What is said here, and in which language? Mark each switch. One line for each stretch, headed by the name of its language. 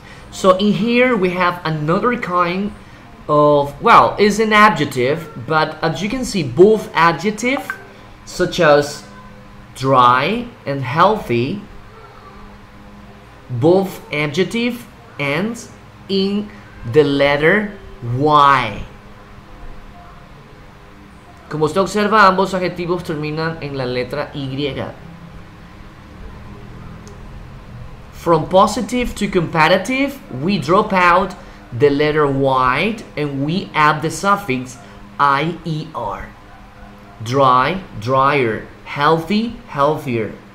English: So in here we have another kind of, well, is an adjective, but as you can see, both adjective such as dry and healthy, both adjective ends in the letter Y.
Spanish: Como usted observa, ambos adjetivos terminan en la letra Y.
English: From positive to comparative, we drop out the letter Y and we add the suffix IER. Dry, drier. Healthy, healthier.